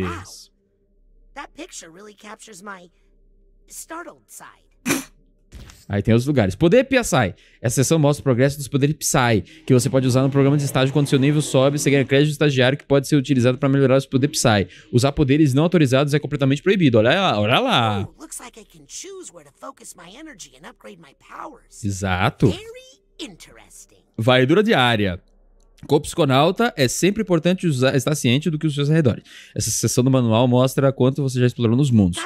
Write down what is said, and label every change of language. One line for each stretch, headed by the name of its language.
English: Wow. That picture really captures my startled side.
Portuguese: Aí tem os lugares. Poder Psy. Essa sessão mostra o progresso dos poderes Psy, que você pode usar no programa de estágio quando seu nível sobe. Você ganha crédito de estagiário que pode ser utilizado para melhorar os poderes Psy. Usar poderes não autorizados é completamente proibido. Olha lá, olha lá.
English: Looks like I can choose where to focus my energy and upgrade my powers.
Portuguese: Exato.
English: Very interesting.
Portuguese: Vaidura diária. Como psiconauta, é sempre importante usar, estar ciente do que os seus arredores. Essa sessão do manual mostra quanto você já explorou nos mundos.